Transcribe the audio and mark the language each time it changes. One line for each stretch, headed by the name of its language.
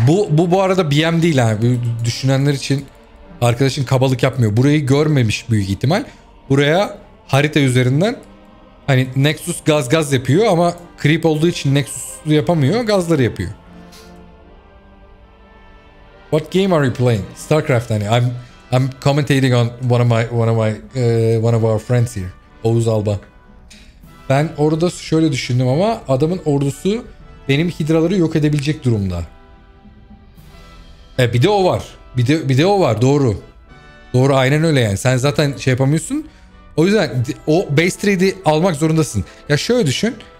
Turkish: Bu arada BM değil ha. Yani. Düşünenler için arkadaşın kabalık yapmıyor. Burayı görmemiş büyük ihtimal. Buraya harita üzerinden hani Nexus gaz yapıyor ama creep olduğu için Nexus yapamıyor. Gazları yapıyor.
English: What game are you playing? StarCraft hani. I'm commentating on one of our friends here.
Turkish: Oğuz Alba. Ben orada şöyle düşündüm ama adamın ordusu benim hidraları yok edebilecek durumda. Bir de o var. Bir de o var. Doğru. Doğru, aynen öyle yani. Sen zaten şey yapamıyorsun. O yüzden o base trade'i almak zorundasın. Ya şöyle düşün.